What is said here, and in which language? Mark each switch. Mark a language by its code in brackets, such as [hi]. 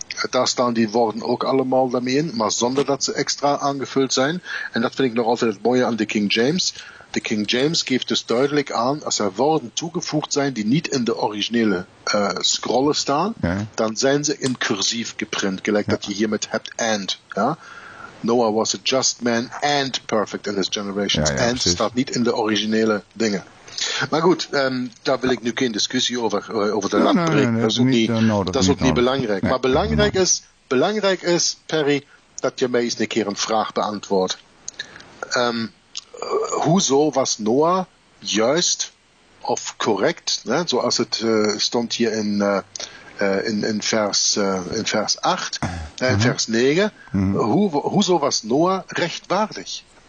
[nl] Daar staan die woorden ook allemaal daarmee in, maar zonder dat ze extra aangevuld zijn. En dat vind ik nog altijd het mooie aan de King James. De King James geeft dus duidelijk aan, als er woorden toegevoegd zijn die niet in de originele scrollen staan, dan zijn ze in cursief geprint, gelijk dat je hier met hebt and. Ja? [en] Noah was a just man and perfect in his generations. [nl] Ja, and staat niet in de originele dingen. Maar goed, daar wil ik nu geen discussie over de lat brengen. Dat is ook niet belangrijk. Nee. Maar belangrijk is, Perry, dat je mij eens een keer een vraag beantwoordt. Hoezo was Noah juist of correct, ne, zoals het stond hier in vers 9, hoezo was Noah rechtvaardig?